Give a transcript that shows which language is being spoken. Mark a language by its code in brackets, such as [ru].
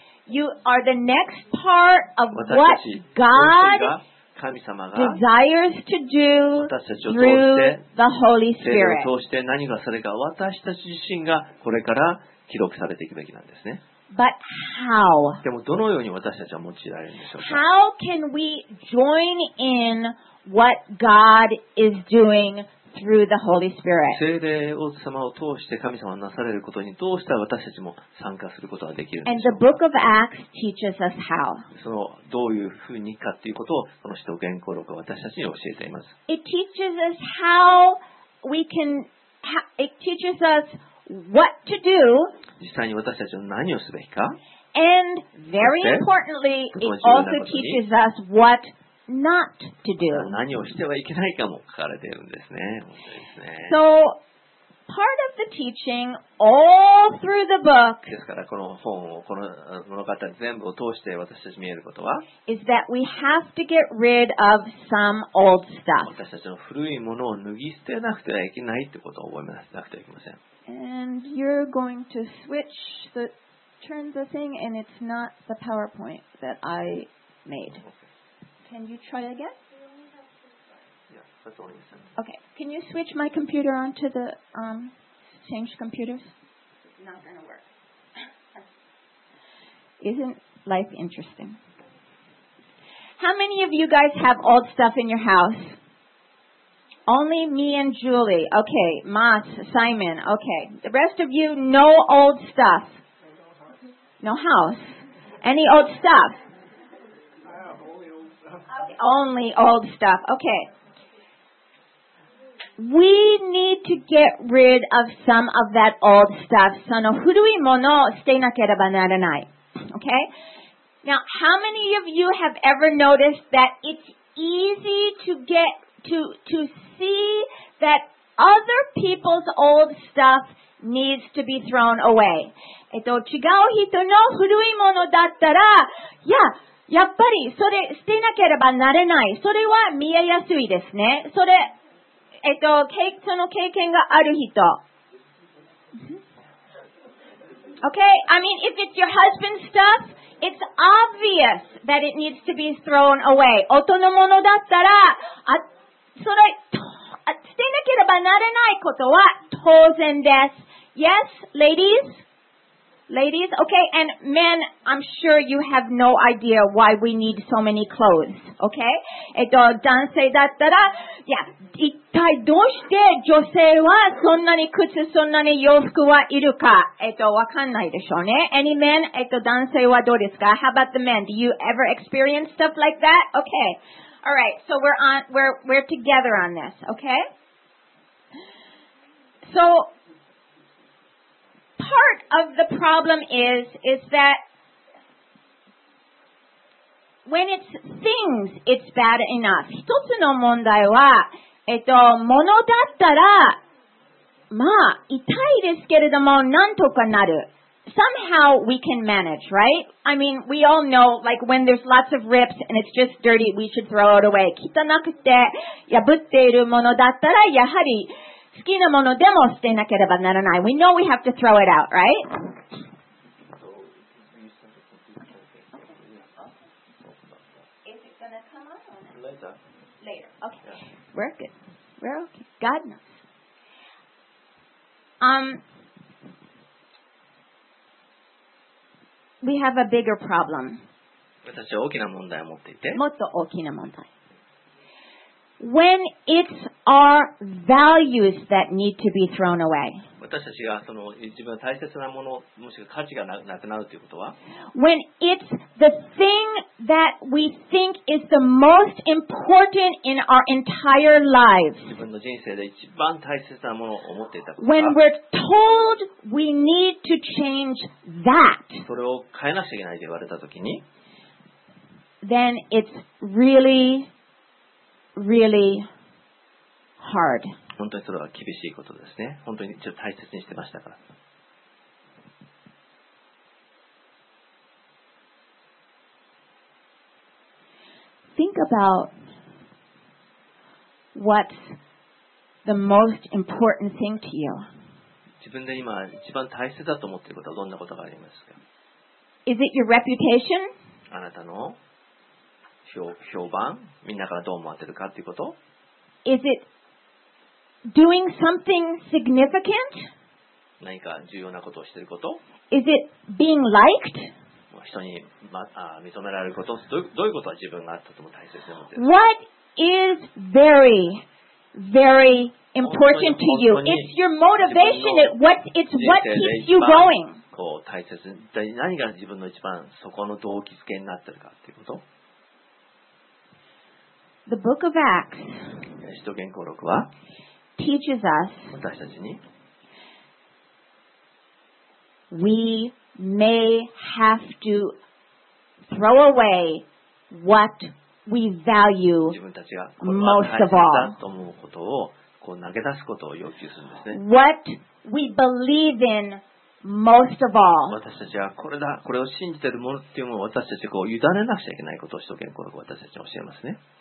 [en] You are the next part of what God [ja] 神様が [en] desires to do through the Holy Spirit. [ja] 私たちを通して何がそれか私たち自身がこれから記録されていくべきなんですね。 [en] But how? [ja] でもどのように私たちは用いられるんでしょうか。 [en] How can we join in what God is doing through the Holy Spirit? [ja] 聖霊様を通して神様がなされることにどうしたら私たちも参加することができるんでしょうか。 [en] And the book of Acts teaches us how. [ja] そのどういうふうにかということをこの使徒言行録は私たちに教えています。 [en] It teaches us how we can. It teaches us what to do. [ja] 実際に私たちは何をすべきか。 [en] And very importantly, it also teaches us what not to do. [ja] 何をしてはいけないかも書かれているんですね。 [en] So, part of the teaching all through the book. [ja] ですからこの本をこの物語全部を通して私たち見えることは、 [en] is that we have to get rid of some old stuff. [ja] 私たちの古いものを脱ぎ捨てなくてはいけないってことを覚えなくてはいけません。 [en] And you're going to switch the turn the thing, and it's not the PowerPoint that I made. Can you try again? Yeah, that's all you said. Okay. Can you switch my computer onto the change computers? It's not gonna work. Isn't life interesting? How many of you guys have old stuff in your house? Only me and Julie. Okay, Mas, Simon. Okay, the rest of you, no old stuff. No house. Any old stuff? Only old stuff. Okay. We need to get rid of some of that old stuff. [ja] その古いものを捨てなければならない. [en] Okay? Now, how many of you have ever noticed that it's easy to get to see that other people's old stuff needs to be thrown away. [ja] 違う人の古いものだったら、いや、やっぱりそれ捨てなければならない。それは見えやすいですね。それ、その経験がある人。 [en] Okay, I mean, if it's your husband's stuff, it's obvious that it needs to be thrown away. [ja] 夫のものだったら、それ捨てなければならないことは当然です。 [en] Yes, ladies? Ladies? Okay, and men, I'm sure you have no idea why we need so many clothes. Okay? [ja] 男性だったら、いや、一体どうして女性はそんなに靴、そんなに洋服はいるか、わかんないでしょうね。 [en] Any men? [ja] 男性はどうですか? [en] How about the men? Do you ever experience stuff like that? Okay. All right, so we're together on this, okay? So part of the problem is that when it's things, it's bad enough. 一つの問題は、物だったら、まあ、痛いですけれども、なんとかなる。 Somehow we can manage, right? I mean, we all know, like when there's lots of rips and it's just dirty, we should throw it away. [ja] 汚くて破っているものだったら、やはり好きなものでも捨てなければならない。 [en] We know we have to throw it out, right? Okay. Is it gonna come on? Later. Later. Okay. Yeah. We're good. We're okay. God knows. We have a bigger problem. [ja] 私は大きな問題を持っていて。もっと大きな問題。 [en] When it's our values that need to be thrown away. [ja] 私たちがその自分の大切なもの、もしくは価値がなくなるということは。 [en] When it's the thing that we think is the most important in our entire lives. [ja] 自分の人生で一番大切なものを思っていたことは。 [en] When we're told we need to change that. [ja] それを変えなくちゃいけないと言われたときに。 [en] Then it's really... Really hard. [ja] 本当にそれは厳しいことですね。本当にちょっと大切にしてましたから。 [en] Think about what's the most important thing to you. [ja] 自分で今一番大切だと思っていることはどんなことがありますか? [en] Is it your reputation? [ja] あなたの評判、みんなからどう思われてるかということ。 [en] Is it doing something significant? [ja] 何か重要なことをしていること。 [en] Is it being liked? [ja] 人に、ま、あ認められること。どういうことは自分がとても大切なので。 [en] What is very, very important to you? It's your motivation. It's what keeps you going. [ja] 大切に何が自分の一番そこの動機付けになってるかっていうこと。 [en] The Book of Acts [ja] 使徒言行録は [en] teaches us [ja] 私たちに [en] we may have to throw away what we value [ja] 自分たちが大切だと思うことをこう投げ出すことを要求するんですね。 [en] What we believe inMost of all, [ja] 私たちはこれだ、これを信じているものっていうのを私たちこう委ねなくちゃいけないことを使徒言行録私たちに教えますね。